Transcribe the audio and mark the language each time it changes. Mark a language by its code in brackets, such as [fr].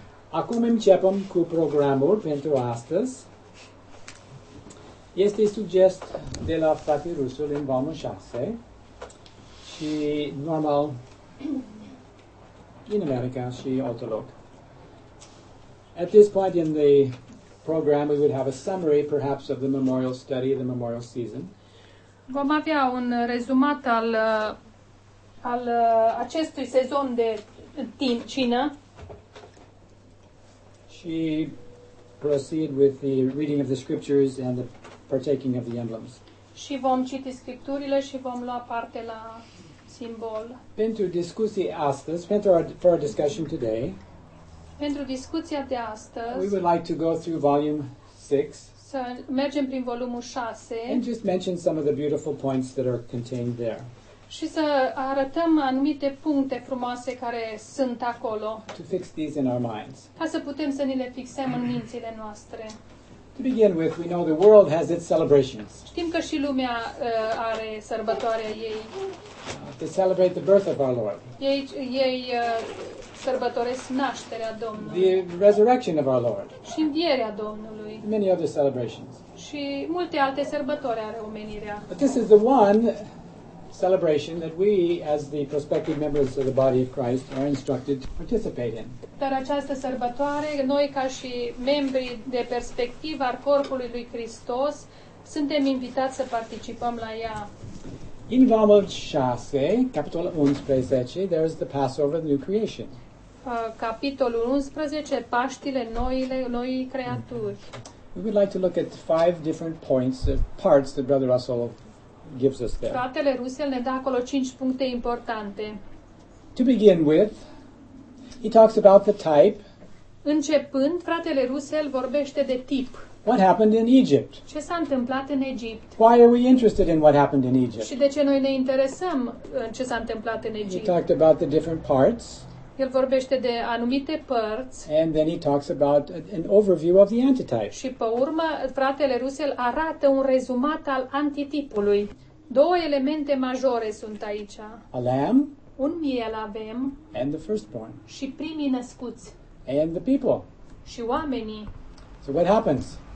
[ro] Acum începem cu programul pentru astăzi. Este sugest de la frate Rusu în volumul 6. Și normal în America și altă loc. [en] At this point in the program we would have a summary perhaps of the memorial study, the memorial season. [ro] Vom avea un rezumat al acestui sezon de cină. [en] She proceed with the reading of the scriptures and the partaking of the emblems. [ro] Și vom citi scripturile și vom lua parte la simbol. Pentru discuția astăzi, [en] for our discussion today. [ro] Pentru discuția de astăzi. [en] We would like to go through volume 6. [ro] Să mergem prin volumul 6. [en] And just mention some of the beautiful points that are contained there. [ro] Și să arătăm anumite puncte frumoase care sunt acolo. [en] To fix these in our minds. [ro] Ca să putem să ni le fixăm în mințile noastre. [en] To begin with, we know the world has its celebrations. [ro] Știm că și lumea are sărbătoarea ei. [en] To celebrate the birth of our Lord. [ro] Ei sărbătoresc nașterea Domnului. [en] The resurrection of our Lord. [ro] Și învierea Domnului. [en] Many other celebrations. [ro] Și multe alte sărbători are omenirea. [en] But this is the one celebration that we as the prospective members of the body of Christ are instructed to participate in. [ro] Dar această sărbătoare, noi ca și membri de perspectivă al corpului lui Hristos, suntem invitați să participăm la ea. [en] In [ro] volumul 6, capitolul 11, [en] there is the Passover of the new creation. [ro] Capitolul 11, Paștile noii creaturi. [en] We would like to look at five different points, parts that Brother Russell gives us there. [ro] Fratele Rusel ne dă acolo 5 puncte importante. [en] To begin with, he talks about the type. [ro] Începând, fratele Rusel vorbește de tip. [en] What happened in Egypt? [ro] Ce s-a întâmplat în Egipt? [en] Why are we interested in what happened in Egypt? [ro] Și de ce noi ne interesăm în ce s-a întâmplat în Egipt? [en] He talked about the different parts. [ro] El vorbește de anumite părți. [en] And then he talks about an overview of the antitype. [ro] Și pe urmă, fratele Rusel arată un rezumat al antitipului. Două elemente majore sunt aici. [en] A lamb. [ro] Un miel avem. [en] And the firstborn. [ro] Și primii născuți. [en] And the people. [ro] Și oamenii. [en] So what happens?